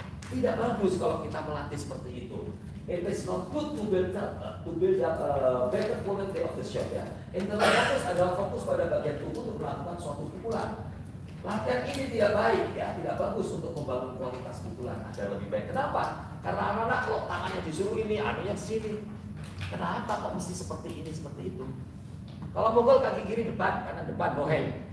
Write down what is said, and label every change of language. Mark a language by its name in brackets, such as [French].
[Indonesian] Tidak bagus kalau kita melatih seperti itu. [English] It is not good to build better quality of the shot. [Indonesian] Ya. Internal focus adalah fokus pada bagian tubuh untuk melakukan suatu pukulan. Latihan ini tidak baik, ya, tidak bagus untuk membangun kualitas pukulan. Ada lebih baik. Kenapa? Karena anak-anak kalau tangannya disuruh ini, anunya kesini. Kenapa kok mesti seperti ini, seperti itu? Kalau pukul kaki kiri depan, kanan depan, bohong.